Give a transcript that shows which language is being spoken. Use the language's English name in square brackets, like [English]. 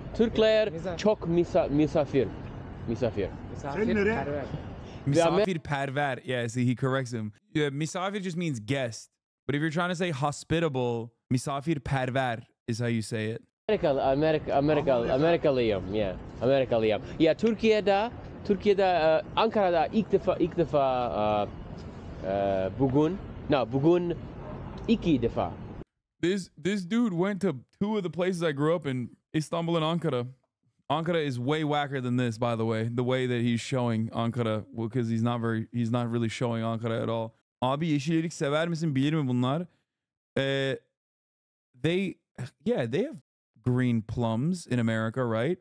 [Turkish] Türkler çok misafir. Misafir. Misafir perver. Misafir perver. [English] Yeah, see, he corrects him. Yeah, misafir just means guest. But if you're trying to say hospitable, misafir perver is how you say it. [Turkish] Amerikalıyım. Yeah. Amerikalıyım. Yeah, Türkiye'de Ankara'da ilk defa bugün iki defa. [English] This dude went to two of the places I grew up in, Istanbul and Ankara. Ankara is way wacker than this, by the way. The way that he's showing Ankara, because he's not really showing Ankara at all. [Turkish] Abi yeşil erik sever misin? Bilir mi bunlar? [English] They have green plums in America, right?